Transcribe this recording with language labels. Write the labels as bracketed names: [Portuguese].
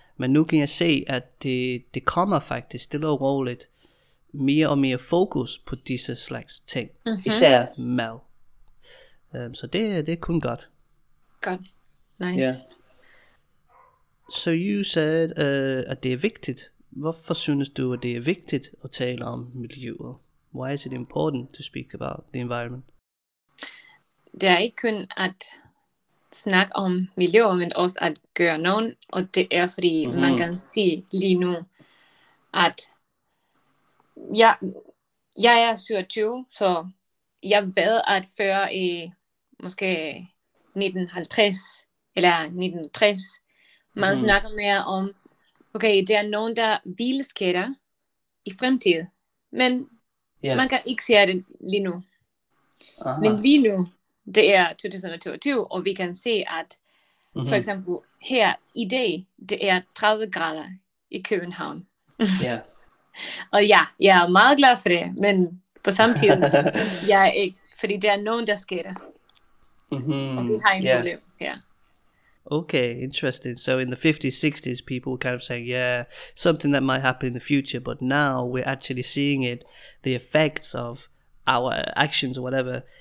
[Danish] Men nu kan jeg se, at det kommer faktisk stille og roligt mere og mere fokus på disse slags ting. Mm-hmm. Især mad. Så det er kun godt. [English] Godt. Nice. Yeah. [Danish] So you said, at det er vigtigt. Hvorfor synes du, at det er vigtigt at tale om miljøet? [English] Why is it important to speak about the environment? [Danish] Det er ikke kun at snakke om miljøet, men også at gøre noget. Og det er, fordi man kan se lige nu, at jeg er 27, så jeg ved, at før i måske 1950 eller 1960, man snakker mere om, okay, der er nogen, der vil skære i fremtiden, men man kan ikke se det lige nu. Aha. Men lige nu, det er 2022, og vi kan se, at for eksempel her i dag, det er 30 grader i København. [English] Yeah. [Danish] Og jeg er meget glad for det, men på samme tid, jeg er ikke, fordi der er nogen, der skære. Og vi har en problem her. [English] Okay, interesting. So in the 50s, 60s, people were kind of saying, yeah, something that might happen in the future, but now we're actually seeing it, the effects of our actions or whatever.